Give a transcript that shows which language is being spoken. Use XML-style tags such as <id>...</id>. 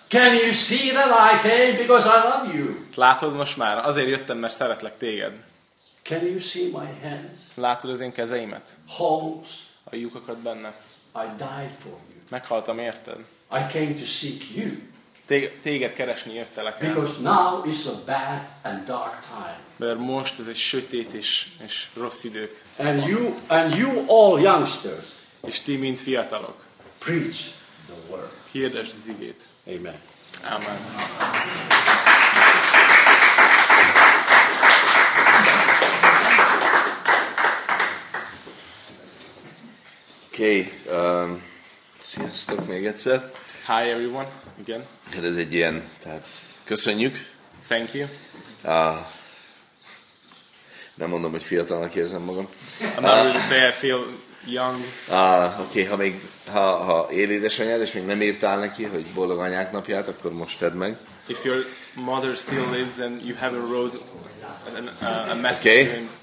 <en>Can you see that I came because I love you?</en> <hu>Látod most már? Azért jöttem, mert szeretlek téged.</hu> <en>Can you see my hands?</en> <hu>Látod az én kezeimet?</hu> <en>Holes.</en> <hu>A lyukakat benne.</hu> <en>I died for you.</en> <hu>Meghaltam érted.</hu> <en>I came to seek you.</en> <hu>Téged keresni jöttelek el.</hu> <en>Because now is a bad and dark time.</en> <hu>Mert most ez egy sötét és rossz idő.</hu> <en>And you all youngsters.</en> <hu>És ti mind fiatalok.</hu> <en>Preach the word.</en> <hu>Hirdesd az igét.</hu> <en>Amen.</en> <hu>Amen. Okay, sziasztok még egyszer.</hu> <en>Hi everyone. Again.</en> <hu>Hát ez egy ilyen, tehát köszönjük.</hu> <en>Thank you.</en> <hu>Nem mondom, hogy fiatalnak érzem magam.</hu> <en>I'm not really say I feel young.</en> <hu>Okay, ha él édesanyád, és még nem írtál neki, hogy boldog anyák napját, akkor most tedd meg.</hu> <en>If your mother still lives and you have a road, a message okay.</en>